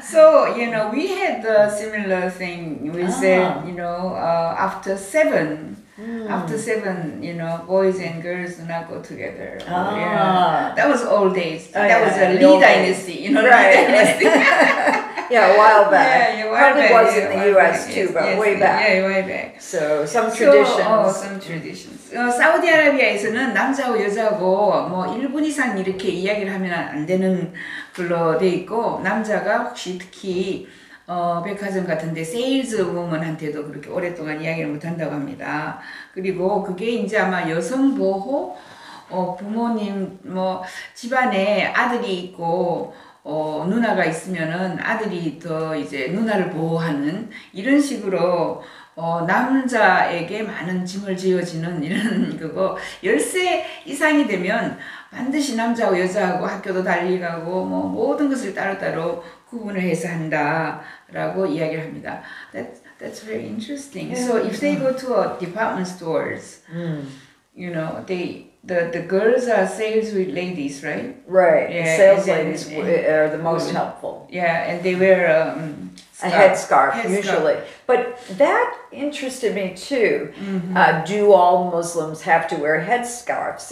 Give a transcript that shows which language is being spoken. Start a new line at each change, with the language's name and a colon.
English: So, you know, we had the similar thing. We said, you know, after seven, you know, boys and girls do not go together. That was old days. That was a Li dynasty. You know, right. Lee dynasty. Yeah, a while back. Yeah, probably was in the U.S. too, but way back. So some traditions.
Korean: 사우디아라비아에서는 남자하고 여자하고 뭐 1분 이상 이렇게 이야기를 하면 안 되는 걸로 돼 있고, 남자가 혹시 특히 백화점 같은데 세일즈우먼한테도 그렇게 오랫동안 이야기를 못 한다고 합니다. 그리고 그게 이제 아마 여성 보호, 부모님 뭐 집안에 아들이 있고 누나가 있으면은 아들이 더 이제 누나를 보호하는 이런 식으로 남자에게 많은 짐을 지어지는 이런 그거. 10세 이상이 되면 반드시 남자하고 여자하고 학교도 달리 가고 뭐 모든 것을 따로따로 구분을 해서 한다라고 이야기를 합니다.
English: That's very interesting. So if they go to a department stores, you know, the girls are sales ladies, right? Right. Yeah, sales ladies are the most helpful. Yeah, and they wear a headscarf usually. But that interested me too. Do all Muslims have to wear headscarves?